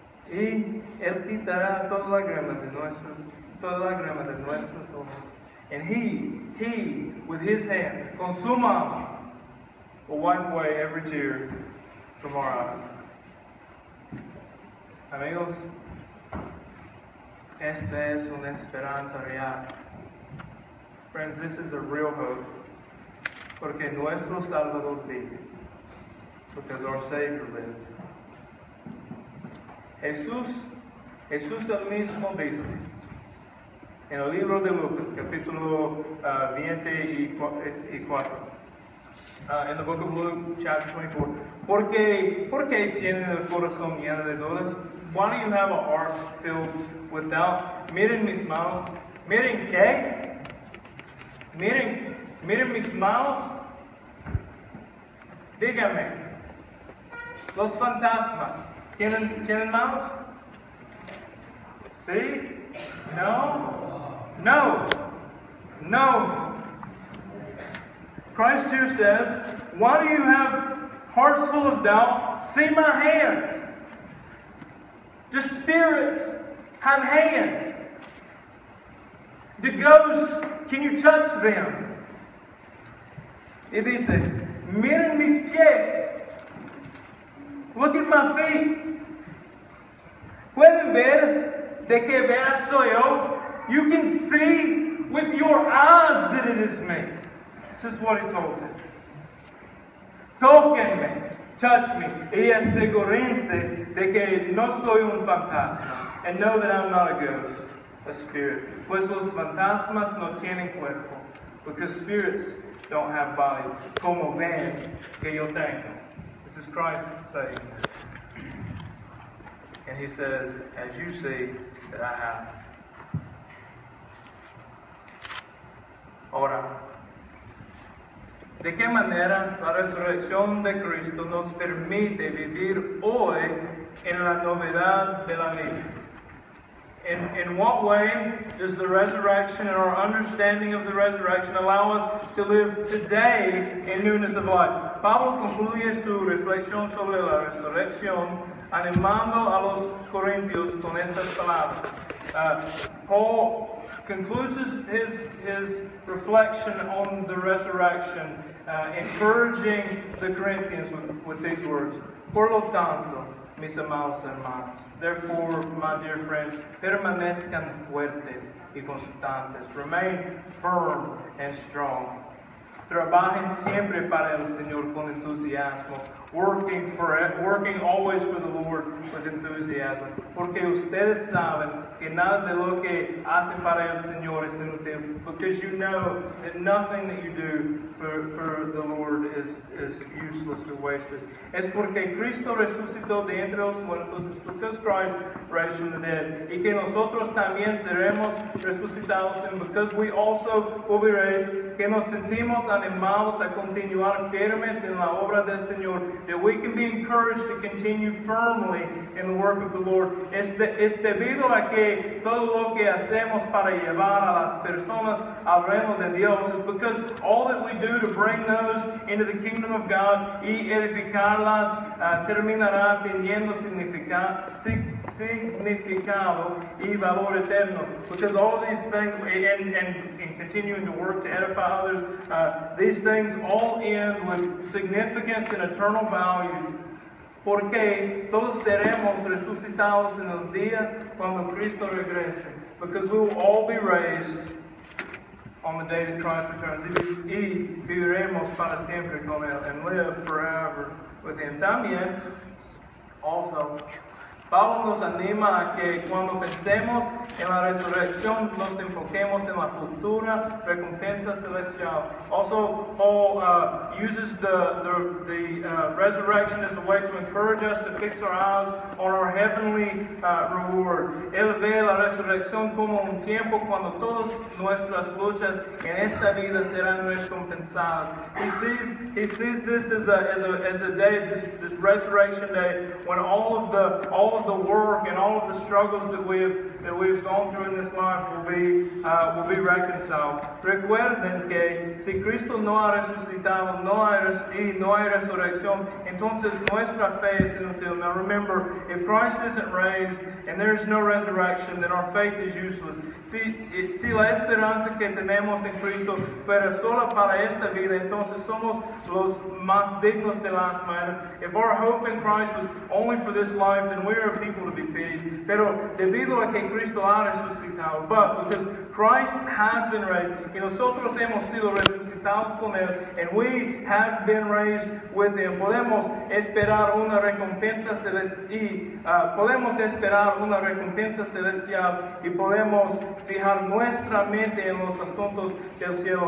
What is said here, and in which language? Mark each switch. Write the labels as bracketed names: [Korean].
[Spanish] Y él quitará toda la grama de nuestros ojos. [English] And he, with his hand, [Spanish] con su mano, [English] will wipe away every tear from our eyes. [Spanish] Amigos, esta es una esperanza real. [English] Friends, this is a real hope. [Spanish] Porque nuestro Salvador vive. [English] Because our Savior lives. [Spanish] Jesús el mismo dice en el libro de Lucas, capítulo 24. [English] In the book of Luke, chapter 24. [Spanish] ¿Por qué tienen el corazón lleno de dudas? [English] Why do you have a heart filled with doubt? [Spanish] Miren mis manos. ¿Miren qué? Miren mis manos. Dígame. Los fantasmas. ¿Tienen manos? ¿Sí? ¿No? No. No. [English] Christ here says, why do you have hearts full of doubt? See my hands. The spirits have hands. The ghosts, can you touch them? [Spanish] Y dice, miren mis pies. [English] Look at my feet. [Spanish] Pueden ver de qué veras soy yo. [English] You can see with your eyes that it is me. This is what he told them. [Spanish] Tóquenme, [English] touch me, [Spanish] y asegúrense de que no soy un fantasma. [English] And know that I'm not a ghost, a spirit. [Spanish] Pues los fantasmas no tienen cuerpo. [English] Because spirits don't have bodies. [Spanish] Como ven que yo tengo. [English] This is Christ saying. And he says, as you see that I have. [Spanish] Ahora, ¿de qué manera la resurrección de Cristo nos permite vivir hoy en la novedad de la vida? [English] In what way does the resurrection and our understanding of the resurrection allow us to live today in newness of life? [Spanish] Pablo concluye su reflexión sobre la resurrección animando a los corintios con estas palabras. [English] Paul concludes his reflection on the resurrection, encouraging the Corinthians with these words. [Spanish] Por lo tanto, mis amados hermanos, [English] therefore, my dear friends, [Spanish] permanezcan fuertes y constantes. [English] Remain firm and strong. [Spanish] Trabajen siempre para el Señor con entusiasmo, [English] working for it, working always for the Lord with enthusiasm. [Spanish] Porque ustedes saben que nada de lo que hacen para el Señor es inútil. [English] Because you know that nothing that you do for the Lord is useless or wasted. [Spanish] Es porque Cristo resucitó de entre los muertos. [English] It's because Christ rose from the dead. [Spanish] Y que nosotros también seremos resucitados. [English] And because we also will be raised, [Spanish] que nos sentimos animados a continuar firmes en la obra del Señor. [English] That we can be encouraged to continue firmly in the work of the Lord. [Spanish] Es debido a que todo lo que hacemos para llevar a las personas al reino de Dios [English] is because all that we do to bring those into the kingdom of God [Spanish] y edificarlas terminará teniendo significado y valor eterno. [English] Because all these things, and continuing to work to edify others, these things all end with significance and eternal value. [Spanish] Porque todos seremos resucitados en el día cuando Cristo regrese. [English] Because we will all be raised on the day that Christ returns. [Spanish] Y viviremos para siempre con Él. [English] And live forever with Him. [Spanish] También, [English] also, [Spanish] Pablo nos anima a que cuando pensemos en la resurrección, nos enfoquemos en la futura recompensa celestial. [English] Also, Paul uses the resurrection as a way to encourage us to fix our eyes on our heavenly reward. [Spanish] Él ve la resurrección como un tiempo cuando todas nuestras luchas en esta vida serán recompensadas. [English] He sees this as a day, this resurrection day, when all of the work and all of the struggles that we have gone through in this life will be reconciled. [Spanish] Recuerden que si Cristo no ha resucitado, no hay resurrección, entonces nuestra fe es inútil. [English] Now remember, if Christ isn't raised and there is no resurrection, then our faith is useless. [Spanish] Si la esperanza que tenemos en Cristo fuera solo para esta vida, entonces somos los más dignos de las maneras. [English] If our hope in Christ was only for this life, then we are people to be pitied. [Spanish] Pero debido a que Cristo ha resucitado, [English] but because Christ has been raised, [Spanish] y nosotros hemos sido resucitados con Él, [English] and we have been raised with Him, [Spanish] podemos esperar una recompensa celestial, y podemos fijar nuestra mente en los asuntos del cielo.